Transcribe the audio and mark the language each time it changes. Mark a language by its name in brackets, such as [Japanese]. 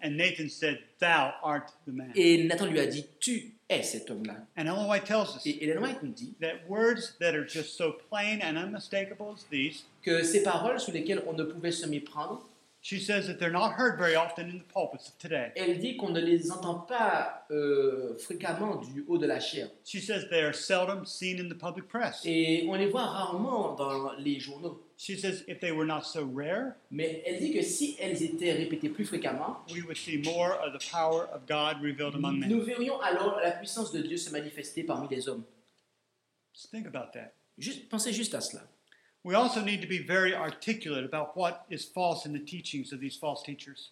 [English] And Nathan said, "Thou art the man." [French] Et Nathan lui a dit, tu es cet homme-là. [English] And Ellen White tells us. [French] Et Ellen White nous dit. [English] That words that are just so plain and unmistakable as these. [French] Que ces paroles sous lesquelles on ne pouvait se méprendre. [English] She says that they're not heard very often in the pulpits of today. [French] Elle dit qu'on ne les entend pas fréquemment du haut de la chaire. [English] She says they are seldom seen in the public press. [French] Et on les voit rarement dans les journaux. [English] She says if they were not so rare. [French] Mais elle dit que si elles étaient répétées plus fréquemment. [English] We would see more of the power of God revealed among men. [French] Nous verrions alors la puissance de Dieu se manifester parmi les hommes. [English] Just think about that. [French] Pensez juste à cela. [English] We also need to be very articulate about what is false in the teachings of these false teachers.